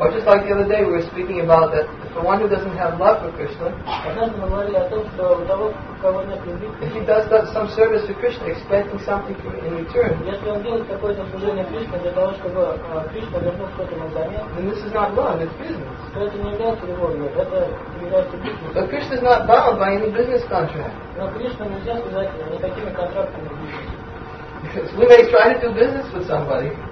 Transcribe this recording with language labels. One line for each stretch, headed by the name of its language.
English: Or just like the other day we were speaking about that for one who doesn't have love for Krishna.
Russian: Однажды мы говорили о том, что у того, у кого нет любви.
English: If he does that some service for Krishna, expecting something in return.
Russian: Если он делает какое-то служение Кришне для того, чтобы Кришна вернул что-то ему взамен.
English: Then this is not love, it's business.
Russian: Это не является любовью, это является бизнесом.
English: But Krishna is not bound by any business contract.
Russian: Но Кришна нельзя связать никакими контрактами в бизнесе.
English: Because we may try to do business with somebody.